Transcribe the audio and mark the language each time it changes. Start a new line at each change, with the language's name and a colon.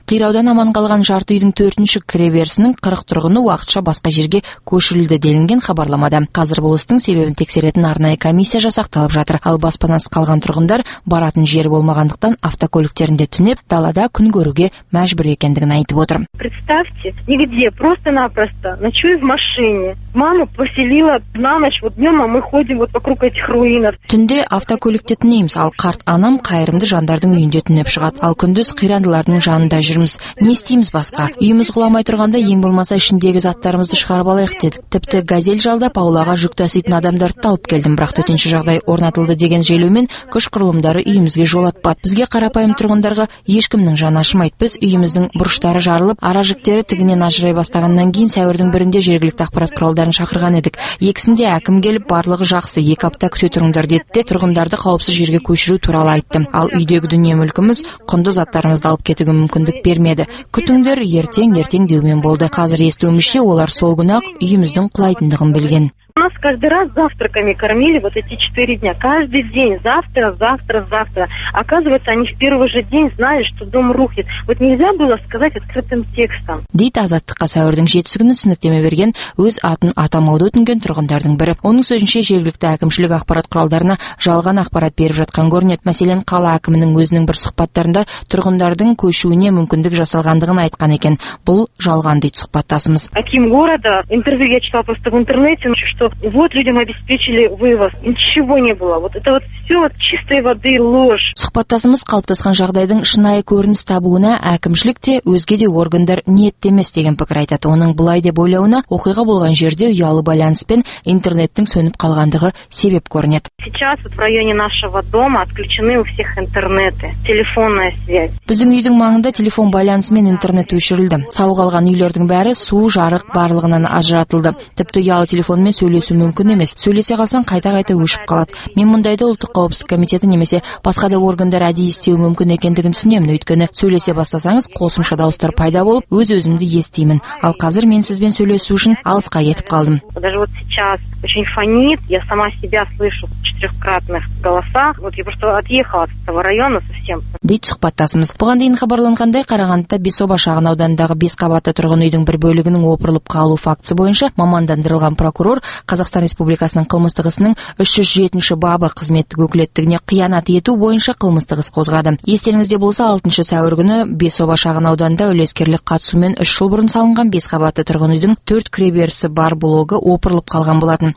Kazakh: Қираудан аман қалған жарты үйдің 4-ші кіреберісінің 40 тұрғыны уақытша басқа жерге көшірілді делінген хабарламада. Қазір бұл істің себебін тексеретін арнайы комиссия жасақталып жатыр. Ал баспанасыз қалған тұрғындар баратын жері болмағандықтан автокөліктерінде түнеп, далада күн көруге мәжбүр екендігін айтып отыр.
Russian: Представьте, нигде просто-напросто ночую в машине. Мама поселила на ночь, вот днем мы ходим вот вокруг этих руинов.
Kazakh: Түнде автокөлікте түнейміз, ал қарт анам қайырымды жандардың үйінде түнеп шығады. Ал күндіз қирандылардың жанында жүрміз. Не істейміз басқа? Үйіміз құламай тұрғанда ең болмаса ішіндегі заттарымызды шығарып алайық дедік. Тіпті газель жалдап аулаға жүк таситын адамдарды алып келдім, бірақ төтенше жағдай орнатылды деген желеумен күш құрылымдары үйімізге жол атпады. Бізге қарапайым тұрғындарға ешкімнің жаны ашымайды. Біз үйіміздің бұрыштары жарылып, ара жіктері тігінен ажырай бастағаннан кейін сәуірдің бірінде жергілікті ақпарат құралдарын шақырған едік. Екісінде әкім келіп, барлығы жақсы, екі апта күте тұрыңдар деді де, тұрғындарды қауіпсіз жерге көшіру туралы айтты. Ал үйдегі дүние мүлкіміз құнды заттарымызды алып кетуге мүмкіндік бермеді. Күтіңдер, ертең деумен болды. Қазір естуімізше, олар сол күні-ақ үйіміздің құлайтындығын білген.
Russian: Нас каждый раз завтраками кормили вот эти 4 дня. Каждый день, завтра. Оказывается, они в первый же день знали, что дом рухнет. Вот нельзя было сказать открытым текстом.
Kazakh: Дейт азаттыққа сәуірдің 7-сі күні түсініктеме берген өз атын атамауды өтінген тұрғындардың бірі. Оның сөзінше жергілікті әкімшілік ақпарат құралдарына жалған ақпарат беріп жатқан көрінеді. Мәселен, қала әкімінің өзінің бір сұхбаттарында тұрғындардың көшуіне мүмкіндік жасалғандығын айтқан екен. Бұл жалған, дейді сұхбаттасымыз.
Russian: Аким города, интервью я читала просто в интернете. Что вот людям обеспечили вывоз. Ничего не было. Вот это вот все чистой воды ложь.
Kazakh: Сұхбаттасымыз қалыптасқан жағдайдың шынайы көрініс табуына әкімшілік те өзге де органдар ниетті емес деген пікір айтады. Оның бұлай деп ойлауына оқиға болған жерде ұялы байланыс пен интернеттің сөніп қалғандығы себеп көрінеді.
Russian: Сейчас вот в районе нашего дома отключены у всех интернеты, телефонная связь.
Kazakh: Біздің үйдің маңында телефон байланысы мен интернет өшірілді. Сау қалған үйлердің бәрі су, жарық барлығынан ажыратылды. Тіпті ұялы телефон мен сөйлесу мүмкін емес. Сөйлесе қалсаң қайта-қайта өшіп қалады. Мен мұндайды ұлттық қауіпсіздік комитеті немесе басқа да органдар әдейі істеуі мүмкін екендігін түсінемін. Өйткені сөйлесе бастасаңыз қосымша дауыстар пайда болып, өз өзімді естеймін. Ал қазір мен сізбен сөйлесу үшін алысқа кетіп қалдым.
Russian: Даже вот сейчас очень фонит, я сама себя слышу в четырехкратных голосах. Вот я просто отъехала от этого района совсем.
Kazakh: Дейді сұхбаттасымыз. Бұған дейін хабарланғандай, Қарағандыда Бесоба шағын ауданындағы 5 қабатты тұрғын үйдің бір бөлігінің опырылып қалу фактісі бойынша мамандандырылған прокурор Қазақстан Республикасының қылмыстық ісінің 307-ші бабы қызметтік өкілеттігіне қиянат ету бойынша қылмыстық іс қозғады. Естеріңізде болса, 6-шы сәуір күні Бесоба шағын ауданында үлескерлік қатысумен 3 жыл бұрын салынған 5 қабатты тұрғын үйдің 4 кіреберісі бар блогы опырылып қалған болатын.